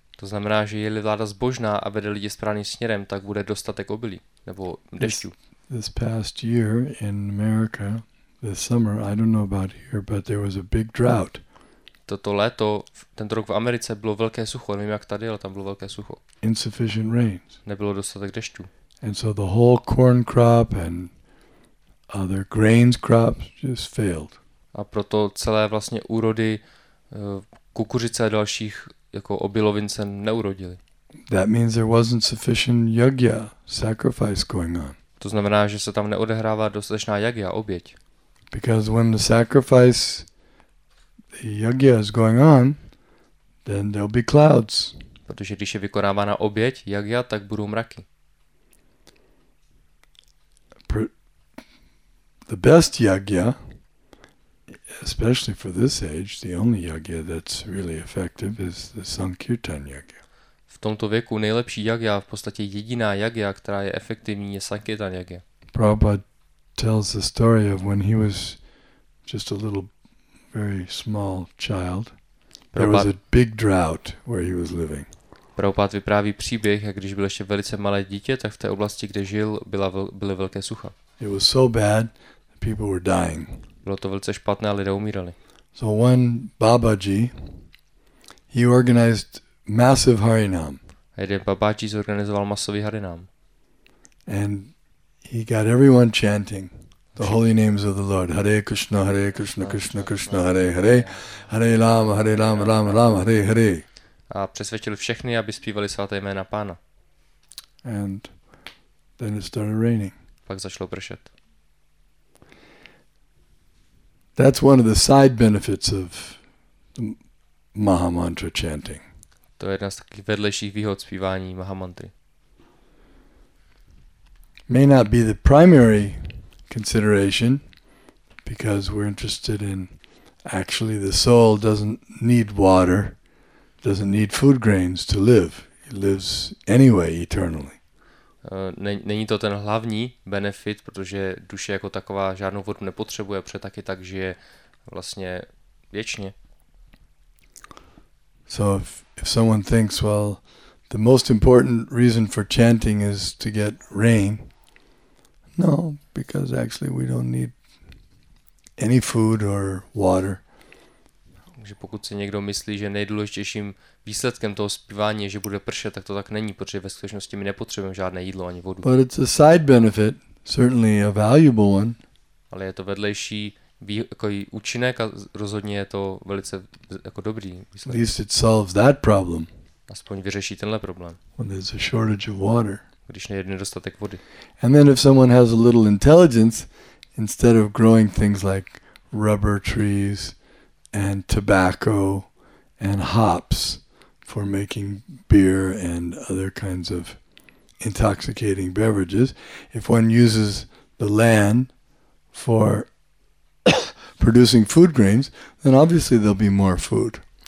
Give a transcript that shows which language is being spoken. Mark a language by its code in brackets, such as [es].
[cs] To znamená, že je-li vláda zbožná a vede lidi správným směrem, tak bude dostatek obilí nebo dešťů. [en] This past year in America, this summer, I don't know about here, but there was a big drought. [cs] Toto léto, tento rok v Americe bylo velké sucho. Nevím jak tady, ale tam bylo velké sucho. [en] Insufficient rains. [cs] Nebylo dostatek dešťů. [en] And so the whole corn crop and other grains crops just failed. [cs] A proto celé vlastně úrody kukuřice a dalších jako obilovin se neurodily. [en] That means there wasn't sufficient yagya sacrifice going on. [cs] To znamená, že se tam neodehrává dostatečná yagya oběť. [en] Because when the sacrifice the yagya is going on, then there'll be clouds. [cs] Protože když je vykonávána oběť yagya, tak budou mraky. [en] The best yagya, especially for this age, the only yagya that's really effective is the Sankirtan yagya. [cs] V tomto věku nejlepší yagya, v podstatě jediná yagya, která je efektivní, je Sankirtan yagya. [en] Prabhupada tells the story of when he was just a little, very small child. There was a big drought where he was living. [cs] Prabhupada vypráví příběh, jak když byl ještě velice malé dítě, tak v té oblasti, kde žil, byly velké sucha. [en] It was so bad, people were dying. [cs] Bylo to velice špatné, lidé umírali. [en] So one Babaji, he organized massive harinam. [cs] A jeden Babaji zorganizoval masový harinam. [en] And he got everyone chanting the holy names of the Lord. [sa] Hare Krishna, Hare Krishna, Krishna Krishna, Hare Hare, Hare Lama, Hare Lama, Lama Lama, Hare Hare. [cs] A přesvědčil všechny, aby zpívali svaté jména Pána. [en] And then it started raining. [cs] Pak začalo pršet. [en] That's one of the side benefits of the Mahamantra chanting. [cs] To je jedna z takových vedlejších výhod zpívání Mahamantry. [en] May not be the primary consideration because we're interested in actually the soul doesn't need water, doesn't need food grains to live. It lives anyway eternally. [cs] Není to ten hlavní benefit, protože duše jako taková žádnou vodu nepotřebuje, protože taky tak žije vlastně věčně. [en] So if someone thinks, well, the most important reason for chanting is to get rain. No, because actually we don't need any food or water. [cs] Takže pokud si někdo myslí, že nejdůležitějším výsledkem toho zpívání je, že bude pršet, tak to tak není, protože ve skutečnosti my nepotřebujeme žádné jídlo ani vodu. [en] But it's a side benefit, certainly a valuable one. [cs] Ale je to vedlejší účinek a rozhodně je to velice jako dobrý výsledek. [en] At least it solves that problem. [cs] Aspoň vyřeší tenhle problém. [en] When there's a shortage of water. [cs] Když je nedostatek vody. [en] And then if someone has a little intelligence, instead of growing things like rubber trees and tobacco and hops for making beer and other kinds of intoxicating beverages, if one uses the land for producing food grains, then obviously there'll be more food.